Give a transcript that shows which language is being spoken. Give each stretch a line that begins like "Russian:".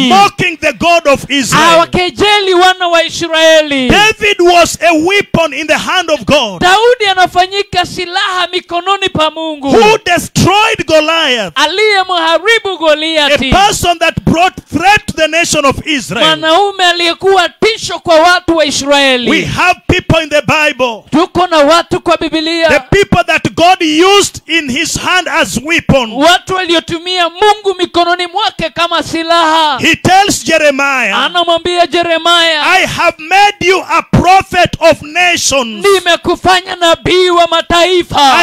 English: Mocking the God of Israel.
Swahili: Wakejeli wana wa Israeli.
English: David was a weapon in the hand of God.
Swahili: Daudi anafanyika silaha mikononi pa Mungu.
English: Who destroyed Goliath?
Swahili: Aliyemharibu Goliath.
English: A person that brought threat to the nation of Israel.
Swahili: Mwanaume aliyekuwa tisho kwa watu wa Israeli.
English: We have people people in the Bible.
Swahili: Tuko na watu kwa Biblia.
English: The people that God used in his hand as weapon.
Swahili: Watu waliotumia Mungu mikononi mwake kama silaha.
English: He tells Jeremiah.
Swahili: Anamwambia Jeremiah.
English: I have made you a prophet of nations.
Swahili: Nimekufanya nabii wa mataifa.